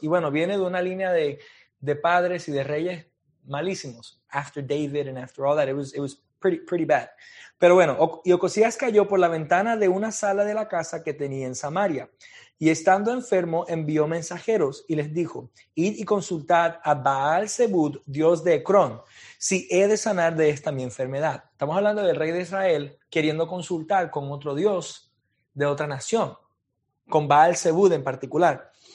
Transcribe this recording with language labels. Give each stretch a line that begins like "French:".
Spanish: Y bueno, viene de una línea de padres y de reyes malísimos.
English: After David and after all that, it was pretty bad.
Spanish: Pero bueno, y Ocasías cayó por la ventana de una sala de la casa que tenía en Samaria. Y estando enfermo, envió mensajeros y les dijo, id y consultad a Baal-Zebub, dios de Ecrón, si he de sanar de esta mi enfermedad. Estamos hablando del rey de Israel queriendo consultar con otro dios de otra nación, con Baal-Zebub en particular.